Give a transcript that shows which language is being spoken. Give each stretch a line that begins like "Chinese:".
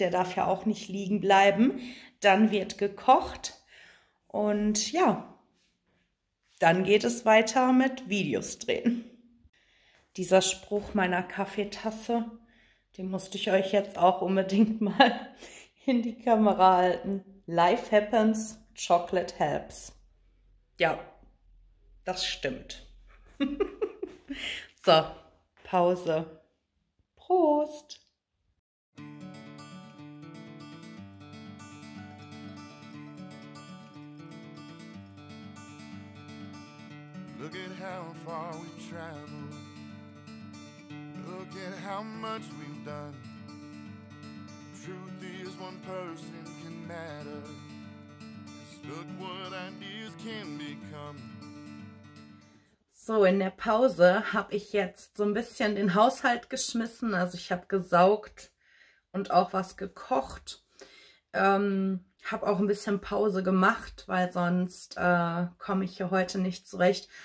German: Der darf ja auch nicht liegen bleiben. Dann wird gekocht und ja, dann geht es weiter mit Videos drehen. Dieser Spruch meiner Kaffeetasse, den musste ich euch jetzt auch unbedingt mal in die Kamera halten.
English: Life happens, chocolate helps.
German: Ja, das stimmt. So, Pause. Prost!
English: Look at how far we've traveled. Look at how much we've done. Truth is, one person can matter. Just look what ideas can become.
German: So, in der Pause habe ich jetzt so ein bisschen den Haushalt geschmissen. Also ich habe gesaugt und auch was gekocht. Habe auch ein bisschen Pause gemacht, weil sonst komme ich hier heute nicht zurecht.